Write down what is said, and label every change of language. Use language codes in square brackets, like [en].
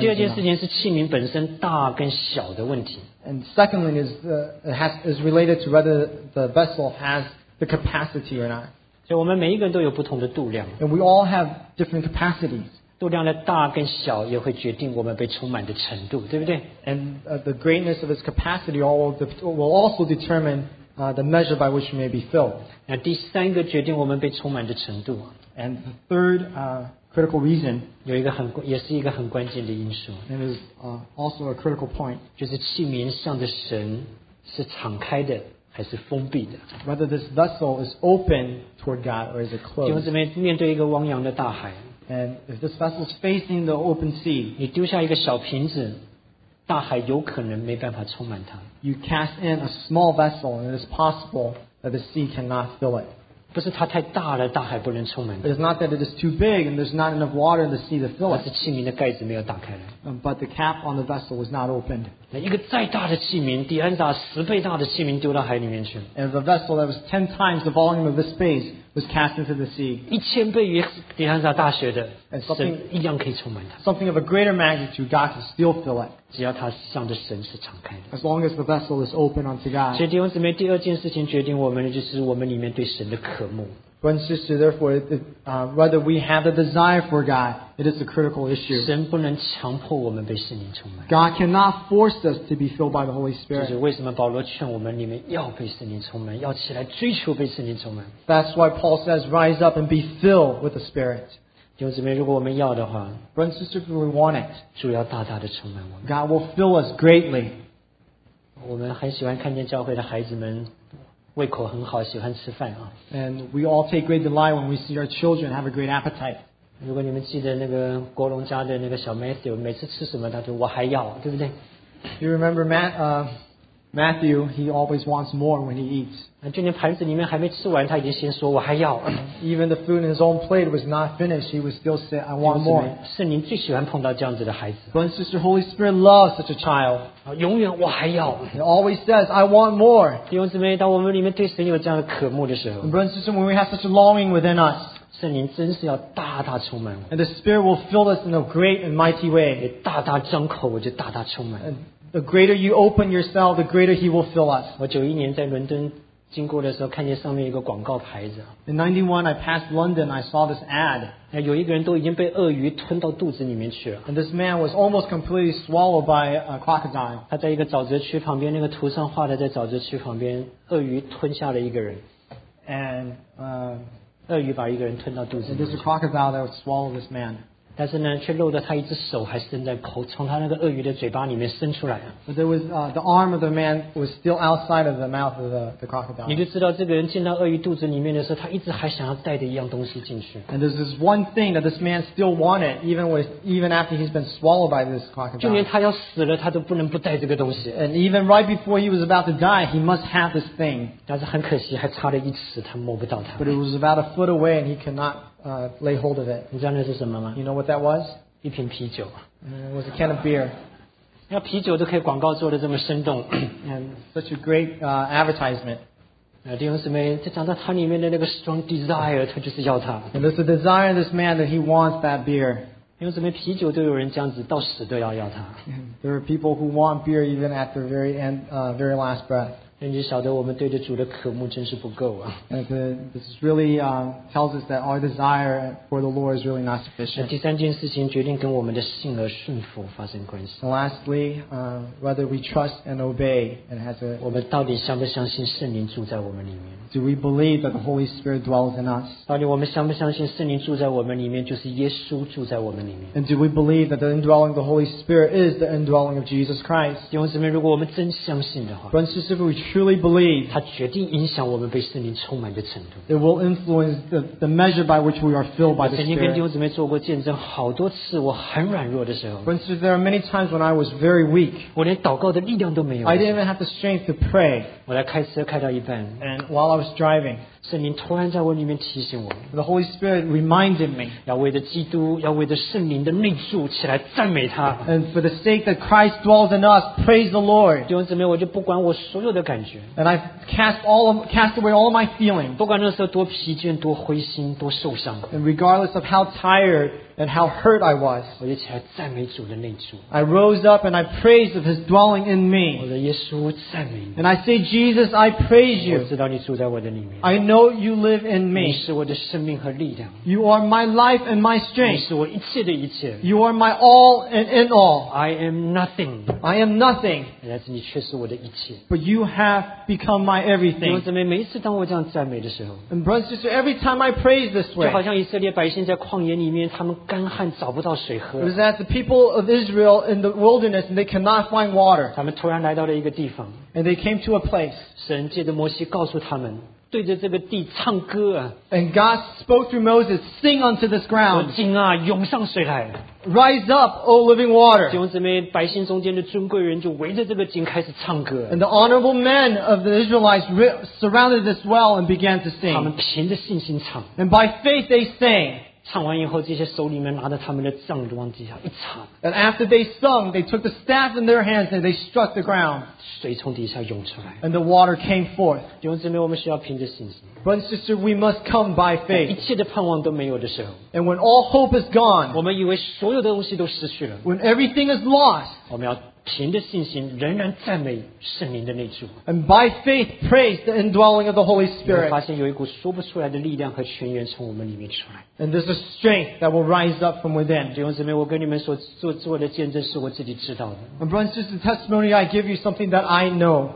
[zh] 第二件事情是器皿本身大跟小的问题。 [en] And secondly is related to whether the vessel has the capacity or not. [zh] 所以我们每一个人都有不同的度量。 [en] And we all have different capacities. [zh] 度量的大跟小也会决定我们被充满的程度，对不对 [en] ？And the greatness of its capacity will also determine the measure by which we may be filled. [zh] 那第三个决定我们被充满的程度。 [en] And the third critical reason [zh] 有一个很也是一个很关键的因素 [en] and is also a critical point [zh] 就是器皿向着神是敞开的还是封闭的 [en] whether this vessel is open toward God or is it closed [zh] 弟兄姊妹面对一个汪洋的大海 [en] and if this vessel is facing the open sea [zh] 你丢下一个小瓶子大海有可能没办法充满它 [en] you cast in a small vessel and it is possible that the sea cannot fill it [zh] 不是它太大了，大海不能充满。 [en] It's not that it is too big and there's not enough water in the sea to fill it. [zh] 而是器皿的盖子没有打开来。 [en] But the cap on the vessel was not opened. [zh] 那一个再大的器皿，迪安达十倍大的器皿丢到海里面去。 [en] And the vessel that was 10 times the volume of the space was cast into the sea. [zh] 一千倍于迪安达大学的，神一样可以充满它。 [en] Something of a greater magnitude, God can still fill it. [zh] 只要它向着神是敞开的。 [en] As long as the vessel is open unto God. [zh] 所以弟兄姊妹，第二件事情决定我们的就是我们里面对神的渴。 [en] Brother and sister, therefore, whether we have the desire for God, it is a critical issue. [zh] 神不能强迫我们被圣灵充满。 [en] God cannot force us to be filled by the Holy Spirit. [zh] 就是为什么保罗劝我们里面要被圣灵充满，要起来追求被圣灵充满。 [en] That's why Paul says, "Rise up and be filled with the Spirit." [zh] 弟兄姊妹，如果我们要的话 [en] ，Brother and sister, if we want it, [zh] 主要大大的充满我们。 [en] God will fill us greatly. [zh] 我们很喜欢看见教会的孩子们。胃口很好，喜欢吃饭啊。 [en] And we all take great delight when we see our children have a great appetite. [zh] 如果你们记得那个国龙家的那个小 Matthew， 每次吃什么他就我还要，对不对 [en] ？You remember Matthew? He always wants more when he eats. [zh] 就连盘子里面还没吃完，他已经先说我还要。 [en] Even the food in his own plate was not finished, he would still say, "I want more." [zh] 圣灵最喜欢碰到这样子的孩子。 [en] But sister, Holy Spirit loves such a child. [zh] 永远我还要。 [en] He always says, "I want more." [zh] 弟兄姊妹，当我们里面对神有这样的渴慕的时候 [en] ，But sister, when we have such a longing within us, [zh] 圣灵真是要大大充满我。 [en] And the Spirit will fill us in a great and mighty way. [zh] 你大大张口，我就大大充满。 [en] And the greater you open yourself, the greater He will fill us. [zh] 我九一年在伦敦经过的时候，看见上面一个广告牌子。 [en] In 91, I passed London. I saw this ad. [zh] 有一个人都已经被鳄鱼吞到肚子里面去了。 [en] And this man was almost completely swallowed by a crocodile. [zh] 他在一个沼泽区旁边，那个图上画的在沼泽区旁边，鳄鱼吞下了一个人。 [en] And There's a crocodile that would swallow this man. [zh] 但是呢，却露着他一只手还伸在口，从他那个鳄鱼的嘴巴里面伸出来。 [en] But there was the arm of the man was still outside of the mouth of the crocodile. [zh] 你就知道这个人进到鳄鱼肚子里面的时候，他一直还想要带着一样东西进去。 [en] And there's this one thing that this man still wanted, even after he's been swallowed by this crocodile. [zh] 就连他要死了，他都不能不带这个东西。 [en] And even right before he was about to die, he must have this thing. [zh] 但是很可惜，还差了一尺，他摸不到他。 [en] But it was about a foot away, and he cannot. Lay hold of it. [zh] 你知道那是什么吗？ [en] You know what that was? [zh] 一瓶啤酒。 [en] It was a can of beer. [zh] 那啤酒都可以广告做得这么生动。 [en] And such a great advertisement. [zh] 弟兄姊妹，这讲到他里面的那个 [en] strong desire, [zh] 他就是要他。 [en] And it's the desire of this man that he wants that beer. [zh] 弟兄姊妹，啤酒都有人这样子，到死都要他。 [en] There are people who want beer even at their very end, very last breath. [zh] 你就晓得我们对着主的渴慕真是不够啊。 [en] This really tells us that our desire for the Lord is really not sufficient. [zh] 第三件事情决定跟我们的信和顺服发生关系。 [en] Lastly, whether we trust and obey, and has a [zh] 我们到底相不相信圣灵住在我们里面？ [en] Do we believe that the Holy Spirit dwells in us? [zh] 到底我们相不相信圣灵住在我们里面，就是耶稣住在我们里面 [en] ？And do we believe that the indwelling of the Holy Spirit is the indwelling of Jesus Christ? [zh] 弟兄姊妹，如果我们真相信的话 [en] ，Brothers and sisters, if we truly believe, [zh] 它决定影响我们被圣灵充满的程度。 [en] It will influence the measure by which we are filled by the Spirit. [zh] 我曾经跟弟兄姊妹做过见证，好多次我很软弱的时候 [en] ，Brothers and sisters, there are many times when I was very weak. [zh] 我连祷告的力量都没有。 [en] I didn't even have the strength to pray. [zh] 我来开车开到一半 [en] ，And while I was driving. [zh] 圣灵突然在我里面提醒我。 [en] The Holy Spirit reminded me. [zh] 要为着基督，要为着圣灵的内住起来赞美他。 [en] And for the sake that Christ dwells in us, praise the Lord. [zh] 弟兄姊妹，我就不管我所有的感觉。 [en] And I cast away all of my feelings. [zh] 不管那时候多疲倦、多灰心、多受伤。 [en] And regardless of how tired and how hurt I was, [zh] 我就起来赞美主的内住。 [en] I rose up and I praised of His dwelling in me. [zh] 我的耶稣赞美。 [en] And I say, Jesus, I praise you. [zh] 我知道你住在我的里面。 [en] I know you live in me. [zh] 你是我的生命和力量。 [en] You are my life and my strength. [zh] 你是我一切的一切。 [en] You are my all and in all. I am nothing. I am nothing. [zh] 但是你却是我的一切。 [en] But you have become my everything. [zh] 弟兄姊妹，每一次当我这样赞美的时候 [en] ，And brothers and sisters, every time I praise this way, [zh] 就好像以色列百姓在旷野里面，他们干旱找不到水喝。 [en] It was as the people of Israel in the wilderness and they cannot find water. [zh] 他们突然来到了一个地方 [en] ，And they came to a place. [zh] 神借着摩西告诉他们。对着这个地唱歌啊 [en] ！And God spoke through Moses, "Sing unto this ground." [zh] 经啊，涌上水来 [en] ！Rise up, O living water. [zh] 弟兄姊妹，百姓中间的尊贵人就围着这个经开始唱歌。 [en] And the honorable men of the Israelites surrounded this well and began to sing. [zh] 他们凭着信心唱。 [en] And by faith they sang. [zh] 唱完以后，这些手里面拿着他们的杖就往地下一插。 [en] And after they sung, they took the staff in their hands and they struck the ground. [zh] 水从底下涌出来。 [en] And the water came forth. [zh] 弟兄姊妹，我们需要凭着信心。 [en] But sister, we must come by faith. [zh] 一切的盼望都没有的时候。 [en] And when all hope is gone. [zh] 我们以为所有的东西都失去了。 [en] When everything is lost. [zh] 我们要凭着信心仍然赞美圣灵的内住。 [en] And by faith praise the indwelling of the Holy Spirit. [zh] 发现有一股说不出来的力量和泉源从我们里面出来。 [en] And there's a strength that will rise up from within. [zh] 弟兄姊妹，我跟你们所做的见证是我自己知道的。 [en] And brothers and sisters, the testimony I give you something that I know.